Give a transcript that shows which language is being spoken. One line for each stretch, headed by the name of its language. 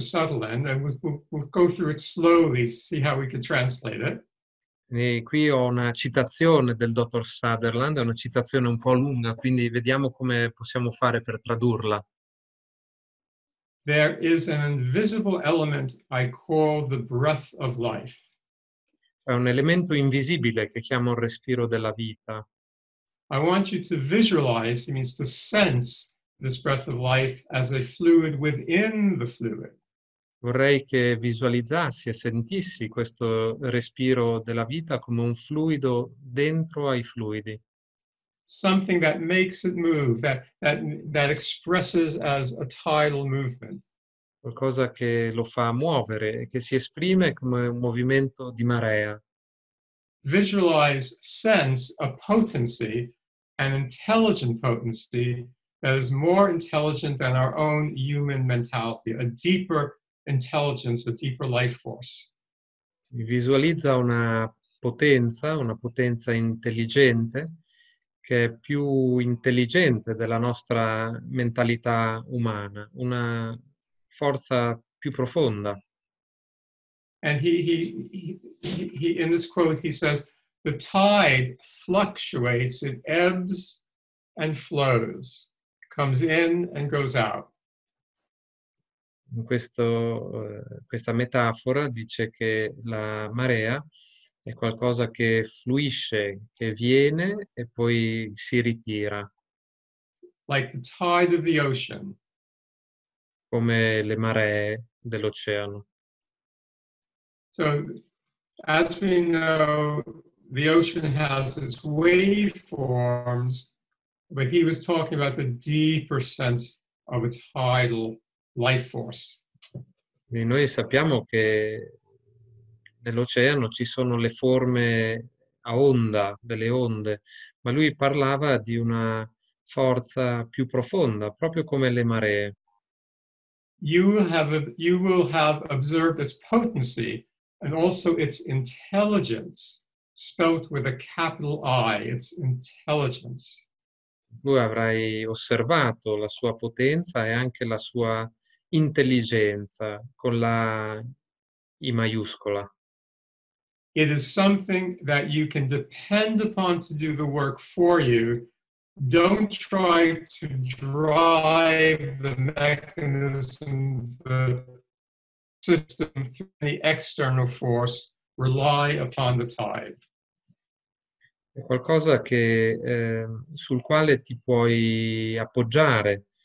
English: Sutherland, and we'll go through it slowly, see how we can translate it.
Italian: E qui ho una citazione del dottor Sutherland, è una citazione un po' lunga, quindi vediamo come possiamo fare per tradurla.
English: There is an invisible element I call the breath of life.
Italian: È un elemento invisibile che chiamo il respiro della vita.
English: I want you to visualize, it means to sense, this breath of life as a fluid within the fluid.
Italian: Vorrei che visualizzassi e sentissi questo respiro della vita come un fluido dentro ai fluidi.
English: Something that makes it move, that expresses as a tidal movement.
Italian: Qualcosa che lo fa muovere, che si esprime come un movimento di marea.
English: Visualize, sense a potency, an intelligent potency that is more intelligent than our own human mentality, a deeper intelligence, a deeper life force.
Italian: Visualizza una potenza intelligente, che è più intelligente della nostra mentalità umana, una forza più profonda.
English: And he in this quote he says the tide fluctuates, it ebbs and flows, comes in and goes out.
Italian: In questa metafora dice che la marea è qualcosa che fluisce, che viene e poi si ritira.
English: Like the tide of the ocean.
Italian: Come le maree dell'oceano.
English: So, as we know, the ocean has its waveforms, but he was talking about the deeper sense of a tidal life force.
Italian: E noi sappiamo che nell'oceano ci sono le forme a onda, delle onde, ma lui parlava di una forza più profonda, proprio come le maree.
English: You will have observed its potency and also its intelligence, spelt with a capital I, its intelligence.
Italian: Tu avrai osservato la sua potenza e anche la sua intelligenza con la I maiuscola.
English: It is something that you can depend upon to do the work for you. Don't try to drive the mechanism, the system through any external force. Rely upon the tide.
Italian: È qualcosa che sul quale ti puoi appoggiare.